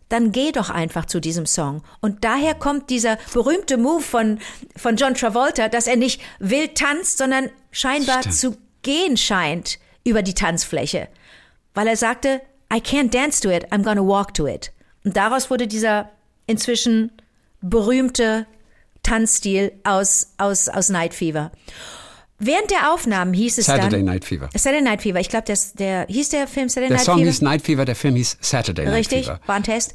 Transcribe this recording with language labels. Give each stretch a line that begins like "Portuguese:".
German: dann geh doch einfach zu diesem Song. Und daher kommt dieser berühmte Move von John Travolta, dass er nicht wild tanzt, sondern scheinbar zu gehen scheint über die Tanzfläche. Weil er sagte,
English: I can't dance to it,
German: I'm gonna walk to it. Und daraus wurde dieser inzwischen berühmte Tanzstil aus Night Fever. Während der Aufnahmen hieß es Saturday dann... Saturday Night Fever. Saturday Night Fever. Ich glaube, der hieß der Film Saturday der Night Song Fever? Der Song hieß Night Fever, der Film hieß Saturday Night Richtig, Fever. Richtig, war ein Test.